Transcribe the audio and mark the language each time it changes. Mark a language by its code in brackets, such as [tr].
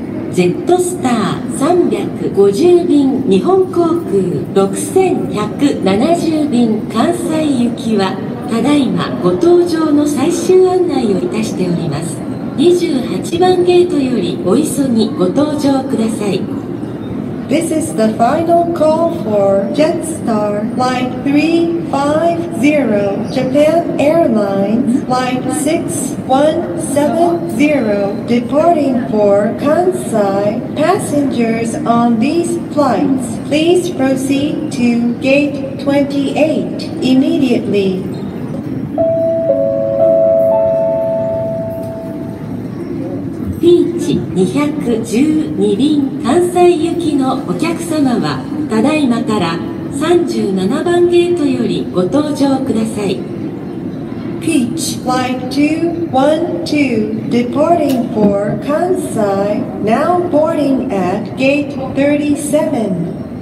[ja] Z Star 350便日本航空6170便関西行きはただいまご搭乗の最終案内をいたしております。 28番ゲートよりお急ぎご搭乗ください。 [en] This is the final call for Jetstar Flight 350 0 Japan Airlines flight 6170 departing for Kansai. Passengers on these flights, please proceed to gate 28 immediately. [ja] P212 便関西行きのお客様はただいまから37番ゲートよりご搭乗ください。 [en] Peach Flight 212 departing for Kansai now boarding at gate 37.